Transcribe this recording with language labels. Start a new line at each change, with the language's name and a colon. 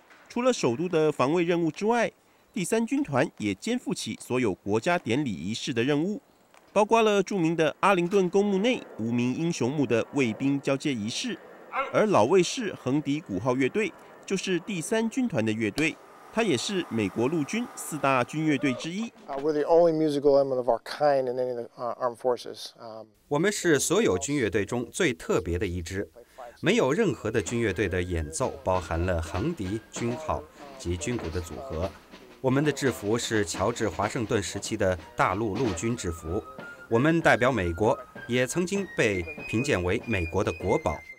Chinese: 除了首都的防卫任务之外，第三军团也肩负起所有国家典礼仪式的任务，包括了著名的阿灵顿公墓内无名英雄墓的卫兵交接仪式。而老卫士横笛鼓号乐队就是第三军团的乐队，它也是美国陆军四大军乐队之一。
English: We're the only musical element of our kind in any of the armed forces.
Chinese: 我们是所有军乐队中最特别的一支，没有任何的军乐队的演奏包含了横笛、军号及军鼓的组合。我们的制服是乔治华盛顿时期的大陆陆军制服，我们代表美国，也曾经被评鉴为美国的国宝。